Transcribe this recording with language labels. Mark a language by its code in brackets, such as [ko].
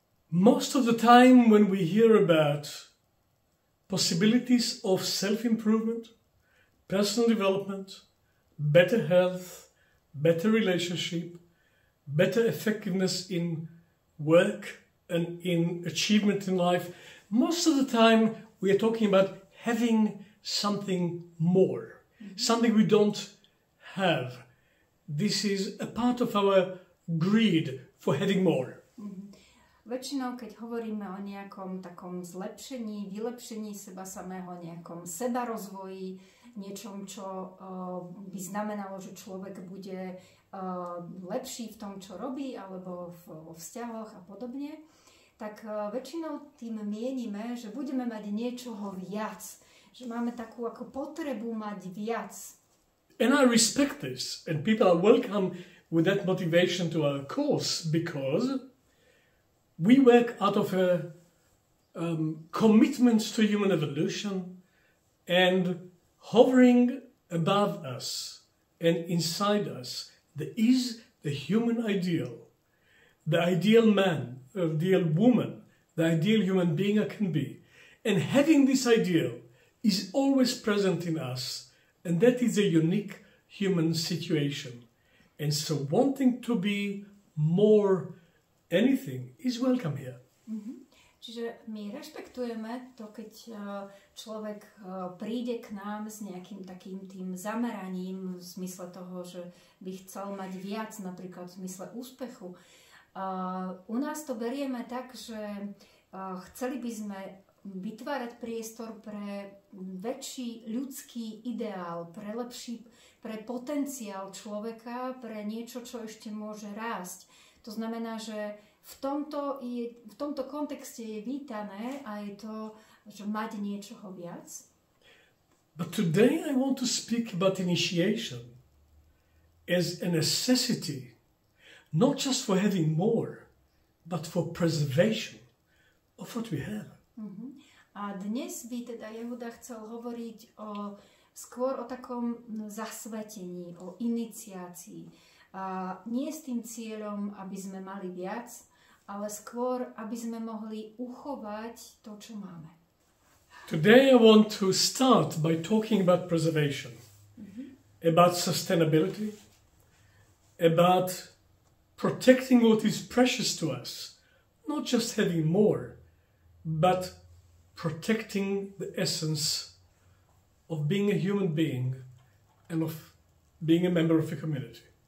[en] Most of the time when we hear about possibilities of self-improvement, personal development, better health, better relationship, better effectiveness in work and in achievement in life, most of the time we are talking about having something more, something we don't have. This is a part of our greed for having more. [sk] Väčšinou, keď hovoríme o nejakom takom zlepšení, vylepšení seba samého, nejakom sebarozvoji, niečom, čo by znamenalo, že človek bude lepší v tom, čo robí, alebo vo vzťahoch a podobne, tak väčšinou tým mienime, že budeme mať niečoho viac, že máme takú ako potrebu mať viac. [en] And I respect this, and people are welcome with that motivation to our course, because we work out of a commitment to human evolution and hovering above us and inside us, there is the human ideal, the ideal man, the ideal woman, the ideal human being I can be. And having this ideal is always present in us, and that is a unique human situation. And so wanting to be more anything is welcome here. [sk] Čiže my rešpektujeme to, keď človek príde k nám s nejakým takým tým zameraním v zmysle toho, že by chcel mať viac, napríklad v zmysle úspechu. U nás to berieme tak, že chceli by sme vytvárať priestor pre väčší ľudský ideál, pre lepší, pre potenciál človeka, pre niečo, čo ešte môže rásť. To znamená, že v tomto kontexte je vítané aj to, že mať niečoho viac. [en] But today I want to speak about initiation as a necessity, not just for having more, but for preservation of what we have. [sk] A dnes by teda Jehuda chcel hovoriť o skôr o takom zasvetení, o iniciácii. A nie s tým cieľom, aby sme mali viac, ale skôr, aby sme mohli uchovať to, čo máme. [en] Today I want to start by talking about preservation, about sustainability, about protecting what is precious to us, not just having more, but protecting the essence of being a human being and of being a member of a community.